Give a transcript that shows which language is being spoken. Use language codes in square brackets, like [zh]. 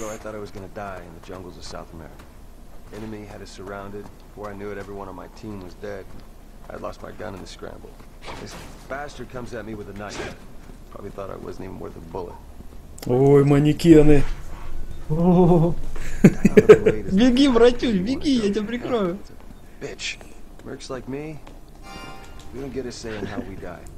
[ru] Я думал, что я умру в джунглях Южной Америки. Враг меня окружил. Прежде чем я знал, что каждый из моей команды был мертв. [en] I'd lost my gun in the scramble. This bastard comes at me with a knife. Probably thought I wasn't even worth a bullet. [ru] Ой, манекены. Беги, братюнь, беги, я тебя прикрою. [en] Bitch. Mercs like me, we don't get a say in how we die.